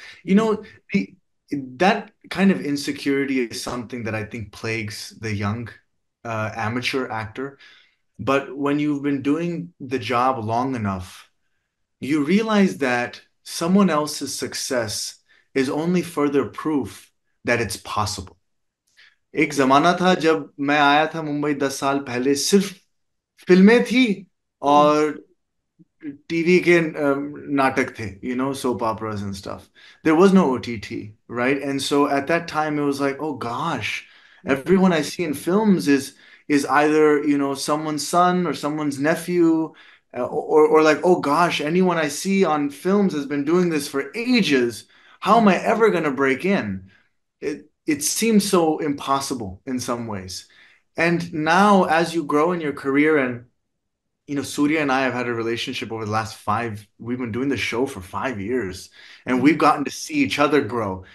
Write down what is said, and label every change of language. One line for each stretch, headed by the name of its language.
English: You know, that kind of insecurity is something that I think plagues the young amateur actor. But when you've been doing the job long enough, you realize that someone else's success is only further proof that it's possible.
Hindi: एक जमाना था जब मैं आया था मुंबई 10 साल पहले, सिर्फ फिल्में थी और टीवी के नाटक थे,
English: Soap operas and stuff. There was no OTT, right? And so at that time it was like, oh gosh, everyone I see in films is either someone's son और someone's nephew. Or like, oh gosh, anyone I see on films has been doing this for ages. How am I ever going to break in? It seems so impossible in some ways. And now, as you grow in your career, and Surya and I have had a relationship over the last 5, we've been doing the show for 5 years, and we've gotten to see each other grow.